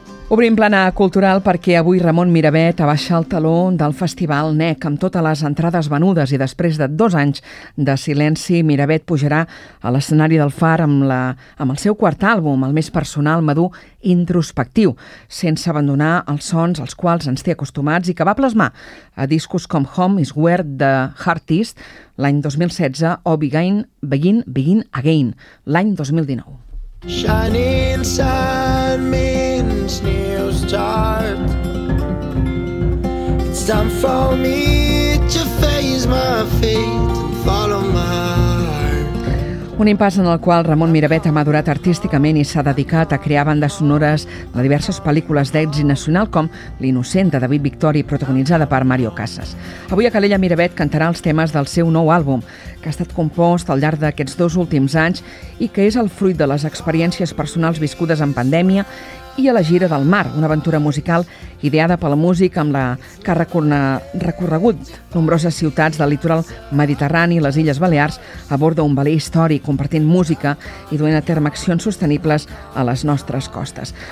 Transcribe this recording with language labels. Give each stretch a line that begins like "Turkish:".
Catalan: Obrim plana cultural perquè avui Ramon Mirabet abaixa el taló del Festival NEC amb totes les entrades venudes i després de 2 anys de silenci, Mirabet pujarà a l'escenari del Far amb el seu quart àlbum, el més personal, madur, introspectiu, sense abandonar els sons als quals ens té acostumats i que va plasmar a discos com Home is Where the Heart Is l'any 2016 o Begin Again l'any 2019.
English: Shining sun means new start. It's time for me to face my fate and follow my heart.
Catalan: Un impàs en el qual Ramon Mirabet ha madurat artísticament i s'ha dedicat a crear bandes sonores de diverses pel·lícules d'èxit nacional com L'Innocent, de David Victori, protagonitzada per Mario Casas. Avui a Calella, Mirabet cantarà els temes del seu nou àlbum, que ha estat compost al llarg d'aquests 2 últims anys i que és el fruit de les experiències personals viscudes en pandèmia i a la Gira del Mar, una aventura musical ideada pel músic amb la que ha recorregut nombroses ciutats del litoral mediterrani i les Illes Balears a bord d'un veler històric, compartint música i duent a terme accions sostenibles a les nostres costes.